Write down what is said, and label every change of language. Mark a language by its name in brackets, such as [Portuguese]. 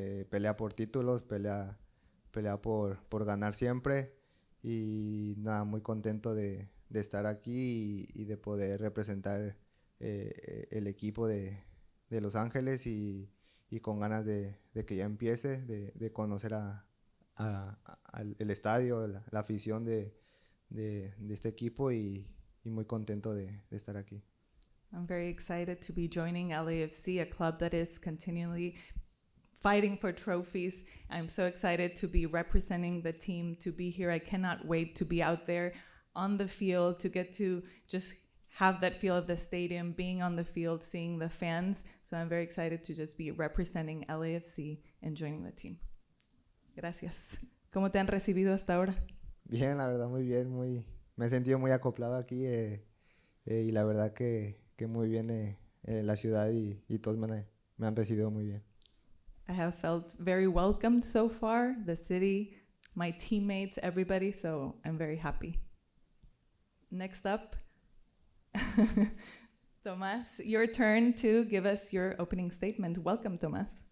[Spanish] pelea por títulos, pelea por ganar siempre, y nada, muy contento de estar aquí y de poder representar el equipo de Los Ángeles y con ganas de que ya empiece, de conocer el estadio, la afición de este equipo y muy contento de estar aquí. [English] I'm very excited to be joining LAFC, a club that is continually fighting for trophies. I'm so excited to be representing the team, to be here. I cannot wait to be out there on the field, to get to just have that feel of the stadium, being on the field, seeing the fans. So I'm very excited to just be representing LAFC and joining the team. [Spanish] Gracias. ¿Cómo te han recibido hasta ahora? Bien, la verdad, muy bien, muy... Me he sentido muy acoplado aquí y la verdad que muy bien la ciudad y todos me han recibido muy bien. [English] I have felt very welcomed so far, the city, my teammates, everybody, so I'm very happy. Next up, Tomás, your turn to give us your opening statement. Welcome, Tomás.